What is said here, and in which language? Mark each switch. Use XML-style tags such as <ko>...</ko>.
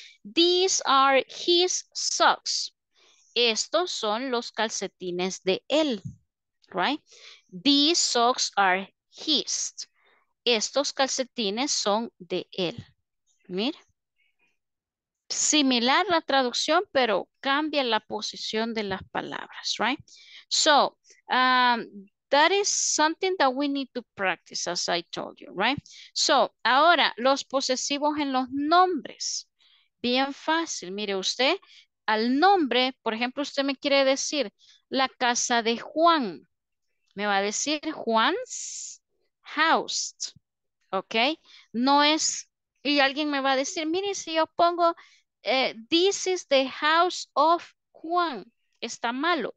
<en>These are his socks.</en> <es>Estos son los calcetines de él, right?</es> <en>These socks are his.</en> <es>Estos calcetines son de él. Mira. Similar la traducción, pero cambia la posición de las palabras, right?</es> <en>So, that is something that we need to practice, as I told you, right?</en> <es>So, ahora, los posesivos en los nombres. Bien fácil, mire usted, al nombre, por ejemplo, usted me quiere decir la casa de Juan. Me va a decir</es> <en>Juan's house,</en> <es>¿ok? No es, y alguien me va a decir, mire, si yo pongo,</es> <en>this is the house of Juan.</en> <es>¿Está malo?</es>